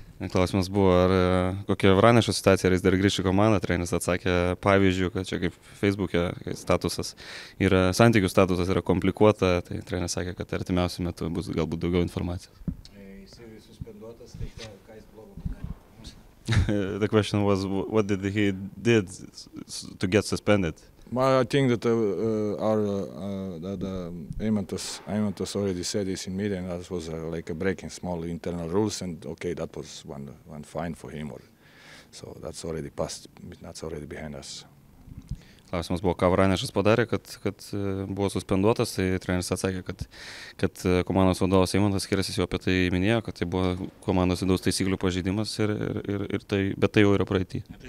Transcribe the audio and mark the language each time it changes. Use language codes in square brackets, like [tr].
[lt] Klausimas buvo, ar kokia Vranešo situacija, ar jis dar grįžti į komandą, treneris atsakė pavyzdžių, kad čia kaip Facebook'e statusas yra, santykių statusas yra komplikuota, tai treneris sakė, kad artimiausiu metu bus galbūt daugiau informacijos. Jis yra suspenduotas, tai ką jis blogo padarė? [en] The question was, what did he did to get suspended? Well, I think that Eimantas already said this in media, and that was like a breaking small internal rules, and okay, that was one fine for him, or so that's already passed, that's already behind us. [lt] Klausimas buvo, ką Vranešas padarė, kad buvo suspenduotas, tai treneris atsakė, kad komandos vadovas Eimantas Skirasis jau apie tai minėjo, kad tai buvo komandos vidaus taisyklių pažeidimas, ir tai, bet tai jau yra praeity.